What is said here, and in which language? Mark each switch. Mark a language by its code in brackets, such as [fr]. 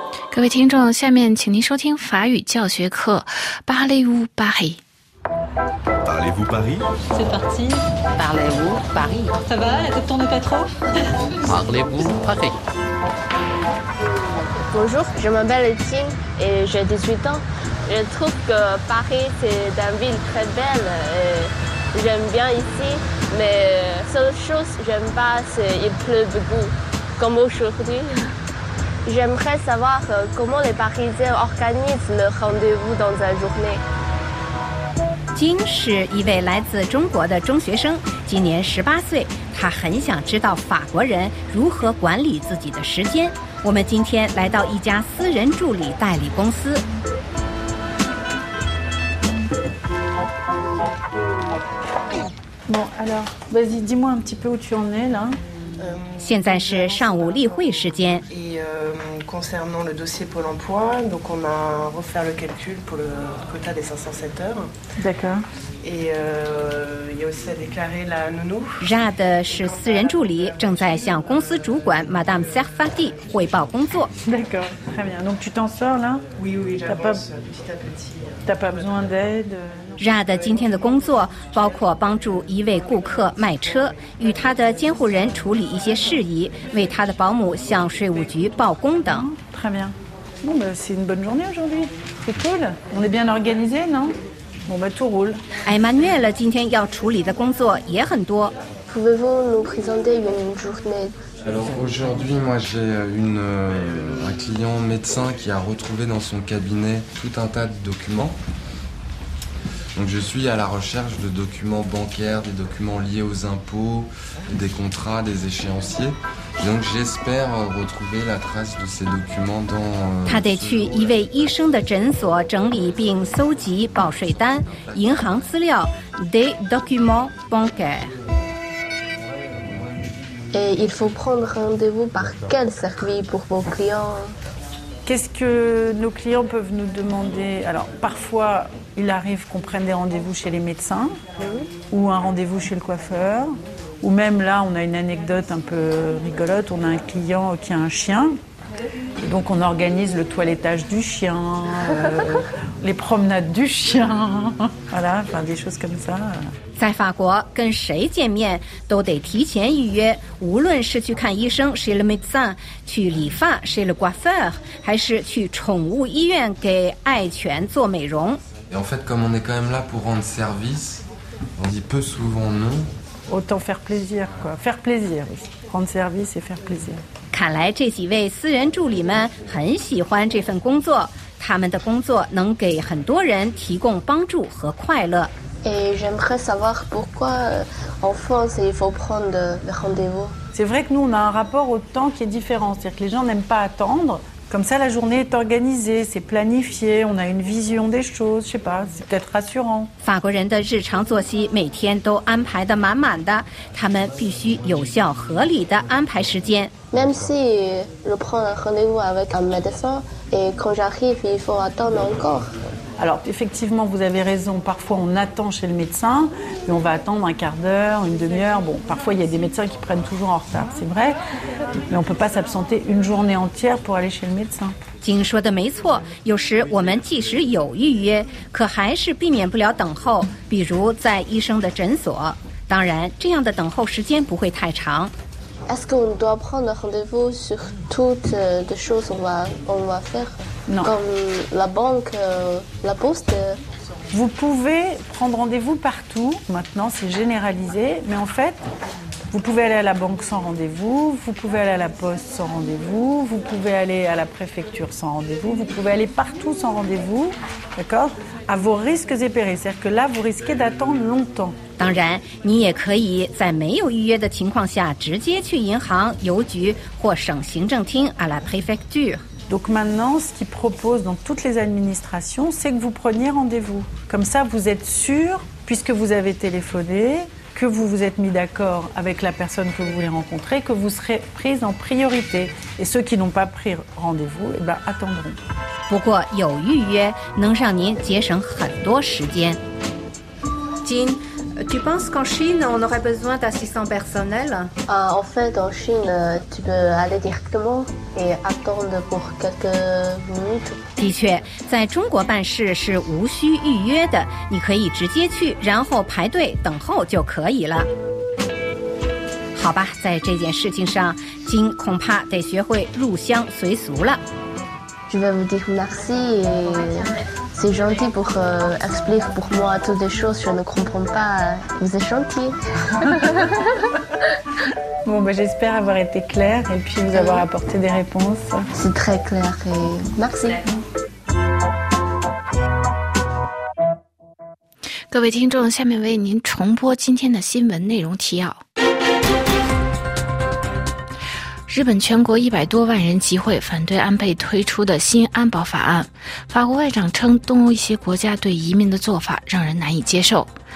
[zh] 各位听众，下面请您收听法语教学课《巴黎乌巴黎》。巴黎乌巴黎 [fr] ，C'est parti！ [zh] 巴黎乌巴黎 [fr] ，Ça va？ Est-ce que t'en es pas trop？ [zh] 巴黎乌巴黎。 [fr] Bonjour, je m'appelle Etienne et j'ai 18 ans. Je trouve que Paris c'est une ville très belle. J'aime bien ici, mais seule chose que j'aime pas c'est qu'il pleut beaucoup, comme aujourd'hui. J'aimerais savoir comment les Parisiens organisent le rendez-vous dans la journée. [zh] Jin 是一位来自中国的中学生，今年18岁，他很想知道法国人如何管理自己的时间。我们今天来到一家私人助理代理公司。 [fr] Bon, alors, vas-y, dis-moi un petit peu où tu en es là. [zh] 现在是上午例会时间。 [fr] Concernant le dossier Pôle emploi, donc on a refait le calcul pour le quota des 507 heures. D'accord. Et il y a aussi à déclarer la nounou. [zh] Jade 是私人助理，正在向公司主管 Madame Serfati 汇报工作。 [fr] D'accord, très bien. Donc tu t'en sors là? Oui, oui, j'avance petit à petit. T'as pas besoin d'aide? [zh] Rad 今天的工作包括帮助一位顾客卖车，与他的监护人处理一些事宜，为他的保姆向税务局报工等。 [fr] Très bien. Bon, bah, c'est une bonne journée aujourd'hui. C'est cool. On est bien organisé, non? Bon, bah, tout roule. [zh] Emmanuel 今天要处理的工作也很多。 [fr] Pouvez-vous nous présenter une journée? Alors aujourd'hui, moi j'ai un client médecin qui a retrouvé dans son cabinet tout un tas de documents. Donc je suis à la recherche de documents bancaires, des documents liés aux impôts, des contrats, des échéanciers. Donc j'espère retrouver la trace de ces documents dans... [zh] 他得去一位医生的诊所整理并搜集报税单、银行资料、 [fr] des documents bancaires. Et il faut prendre rendez-vous par quel service pour vos clients? Qu'est-ce que nos clients peuvent nous demander? Alors parfoisIl arrive qu'on prenne des rendez-vous chez les médecins, ou un rendez-vous chez le coiffeur, ou même là, on a une anecdote un peu rigolote, on a un client qui a un chien, Donc on organise le toilettage du chien, les promenades du chien, voilà, enfin des choses comme ça. [zh] 在法国，跟谁见面都得提前预约，无论是去看医生 [fr] chez le médecin， [zh] 去理发 [fr] chez le coiffeur， [zh] 还是去宠物医院给爱犬做美容。 [fr] Et en fait, comme on est quand même là pour rendre service, on dit peu souvent non. Autant faire plaisir, quoi. Faire plaisir, rendre service et faire plaisir. [zh] 看来这几位私人助理们很喜欢这份工作，他们的工作能给很多人提供帮助和快乐。 [fr] Et j'aimerais savoir pourquoi en France il faut prendre le rendez-vous. C'est vrai que nous on a un rapport au temps qui est différent, c'est-à-dire que les gens n'aiment pas attendre. Comme ça la journée est organisée, c'est planifié, on a une vision des choses, je sais pas, c'est peut-être rassurant. [zh] 法国人的日常作息每天都安排得满满的，他们必须有效合理的安排时间。 [fr] Même si je prends un rendez-vous avec un médecin et quand j'arrive il faut attendre encore. Alors, effectivement, vous avez raison. Parfois, on attend chez le médecin et on va attendre un quart d'heure, une demi-heure. Bon, parfois, il y a des médecins qui prennent toujours en retard, c'est vrai. Mais on ne peut pas s'absenter une journée entière pour aller chez le médecin. [zh] 听说的没错，有时我们即使有预约，可还是避免不了等候，比如在医生的诊所。当然，这样的等候时间不会太长。 [fr] Est-ce qu'on doit prendre rendez-vous sur toutes les choses qu'on va faire ? Non. Comme la banque, la poste ? Vous pouvez prendre rendez-vous partout. Maintenant, c'est généralisé. Mais en fait, vous pouvez aller à la banque sans rendez-vous. Vous pouvez aller à la poste sans rendez-vous. Vous pouvez aller à la préfecture sans rendez-vous. Vous pouvez aller partout sans rendez-vous. D'accord ? À vos risques et périls. C'est-à-dire que là, vous risquez d'attendre longtemps. 当然，你也可以在没有预约的情况下直接去银行、邮局或省行政厅 à la préfecture. Donc maintenant, ce qu'ils proposent dans toutes les administrations, c'est que vous preniez rendez-vous. Comme ça, vous êtes sûr, puisque vous avez téléphoné, que vous vous êtes mis d'accord avec la personne que vous voulez rencontrer, que vous serez prise en priorité. Et ceux qui n'ont pas pris rendez-vous, eh ben attendront. [zh] 不过，有预约能让您节省很多时间。金。 [fr] Tu penses qu'en Chine, on aurait besoin d'assistants personnels ? En fait, en Chine, tu peux aller directement et attendre pour quelques minutes. [zh] 的确，在中国办事是无需预约的，你可以直接去，然后排队等候就可以了。好吧，在这件事情上，金恐怕得学会入乡随俗了。 [fr] Je vais vous dire merci. C'est gentil pour expliquer pour moi toutes les choses, je ne comprends pas. Vous êtes gentil. Bon, bah, j'espère avoir été claire et puis vous avoir apporté des réponses. C'est très clair et merci. [zh] 各位听众，下面为您重播今天的新闻内容提要。日本全国100多万人集会反对安倍推出的新安保法案。法国外长称东欧一些国家对移民的做法让人难以接受。